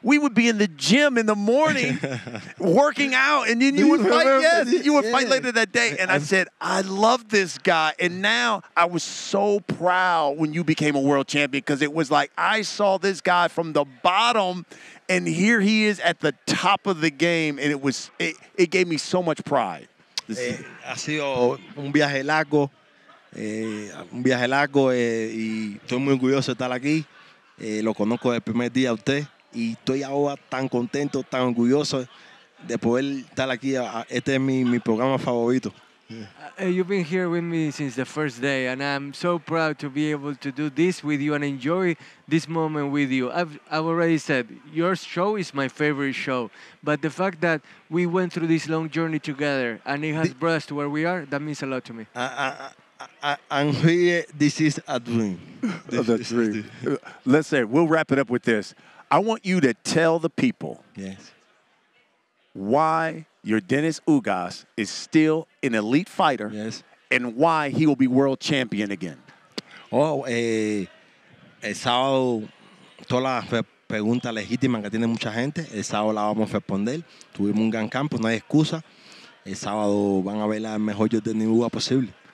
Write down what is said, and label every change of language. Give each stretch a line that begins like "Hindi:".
English: We would be in the gym in the morning working out. And then you would fight. Yes, you would fight later that day. And I said, I love this guy. And now I was so proud when you became a world champion because it was like I saw this guy from the bottom and here he is at the top of the game. And it gave me so much pride.
Spanish: Ha sido un viaje largo, y estoy muy orgulloso de estar aquí. Lo conozco desde el primer día a usted y estoy ahora tan contento, tan orgulloso de poder estar aquí. Este es mi programa favorito. Yeah.
English: You've been here with me since the first day, and I'm so proud to be able to do this with you and enjoy this moment with you. I've already said, your show is my favorite show, but the fact that we went through this long journey together and it has brought us to where we are, that means a lot to me. I'm here, this is a dream. A dream. Let's say, we'll wrap it up with this. I want you to tell the people why Yordenis Ugas is still an elite fighter, and why he will be world champion again.
Spanish: Oh, el sábado, todas las preguntas legítimas que tiene mucha gente, el sábado la vamos a responder. Tuvimos un gran campo, no hay excusa. El sábado van a ver la mejor Yordenis Ugas posible.